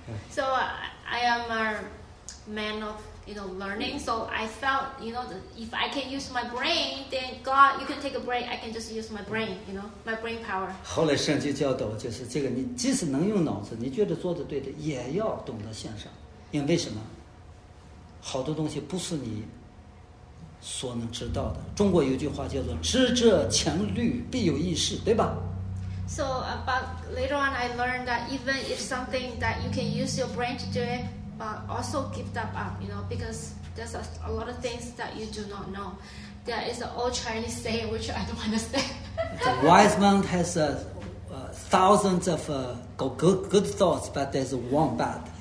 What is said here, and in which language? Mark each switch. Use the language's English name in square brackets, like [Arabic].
[English] ？So I am a man of, you know, learning. So I felt, you know, if I can use my brain, then God, you can take a break. I can just use my brain, you know, my brain power. [Chinese] 后来圣经教导就是这个，你即使能用脑子，你觉得做的对的，也要懂得献上，因为什么？好多东西不是你。所能知道的，中国有句话叫做“知者强虑，必有异事”，对吧 [English] ？So, but later on, I learned that even if something that you can use your brain to do it, but also give that up, you know, because there's a lot of things that you do not know. There is an old Chinese saying which I don't understand. The wise man has thousands of good thoughts, but there's one bad.